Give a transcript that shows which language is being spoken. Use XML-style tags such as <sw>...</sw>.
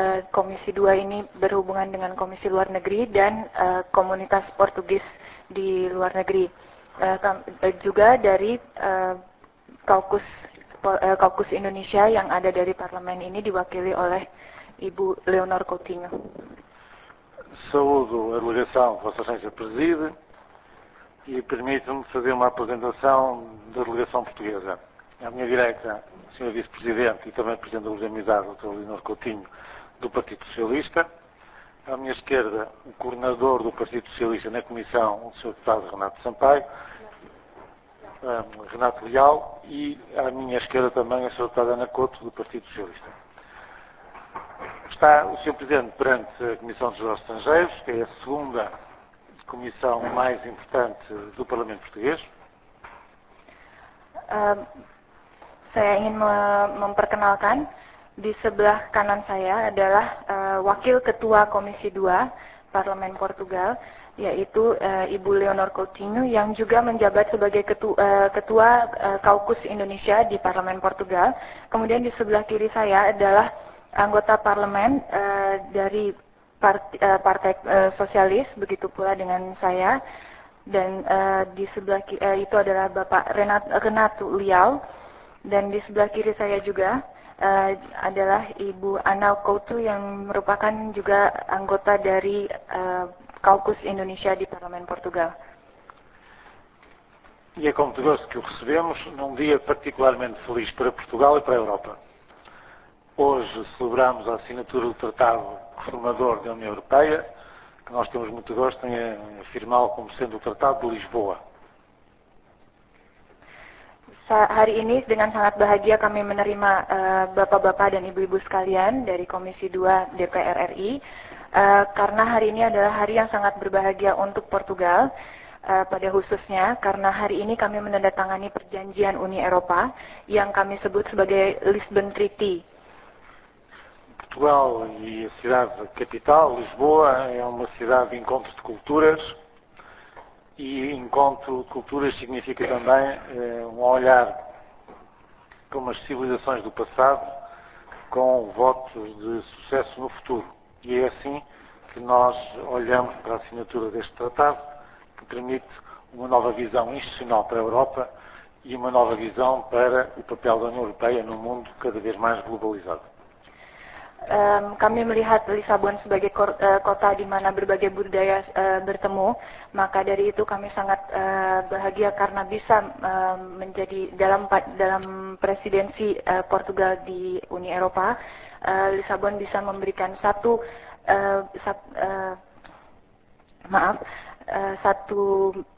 <id>Komisi 2 ini berhubungan dengan Komisi Luar Negeri dan komunitas Portugis di luar negeri. Juga dari kaukus Indonesia yang ada dari parlemen ini diwakili oleh Ibu Leonor Coutinho.</id> <pt>Saúdo a delegação, Vossa Excelência preside, e permito-me fazer uma apresentação da delegação portuguesa. À minha direita, Sr. Vice-Presidente e também Presidente da Luz de Amizade, Dr. Leonor Coutinho, do Partido Socialista. À minha esquerda, o Coordenador do Partido Socialista na Comissão, o Sr. Deputado Renato Sampaio, Renato Leal, e à minha esquerda também a Sra. Deputada Ana Couto, do Partido Socialista. Está o Sr. Presidente perante a Comissão dos Negócios Estrangeiros, que é a segunda comissão mais importante do Parlamento Português.</pt> <id>Saya ingin memperkenalkan, di sebelah kanan saya adalah Wakil Ketua Komisi 2 Parlemen Portugal, yaitu Ibu Leonor Coutinho, yang juga menjabat sebagai Ketua Kaukus Indonesia di Parlemen Portugal. Kemudian di sebelah kiri saya adalah anggota Parlemen dari Partai Sosialis, begitu pula dengan saya. Dan di sebelah itu adalah Bapak Renato Leal. Dan di sebelah kiri saya juga adalah Ibu Ana Couto yang merupakan juga anggota dari Kaukus Indonesia di Parlemen Portugal.</id> <pt>E é com muito gosto que o recebemos num dia particularmente feliz para Portugal e para a Europa. Hoje celebramos a assinatura do Tratado Reformador da União Europeia, que nós temos muito gosto em afirmá-lo como sendo o Tratado de Lisboa.</pt> <id>Hari ini dengan sangat bahagia kami menerima bapak-bapak dan ibu-ibu sekalian dari Komisi 2 DPR RI karena hari ini adalah hari yang sangat berbahagia untuk Portugal pada khususnya karena hari ini kami menandatangani perjanjian Uni Eropa yang kami sebut sebagai Lisbon Treaty.</id> <pt>Portugal e a cidade capital, Lisboa, é uma cidade de encontro de culturas. E encontro de culturas significa também um olhar como as civilizações do passado com votos de sucesso no futuro. E é assim que nós olhamos para a assinatura deste tratado, que permite uma nova visão institucional para a Europa e uma nova visão para o papel da União Europeia num mundo cada vez mais globalizado.</pt> <id>Kami melihat Lisbon sebagai kota di mana berbagai budaya bertemu, maka dari itu kami sangat bahagia karena bisa menjadi dalam presidensi Portugal di Uni Eropa, Lisbon bisa memberikan satu</id>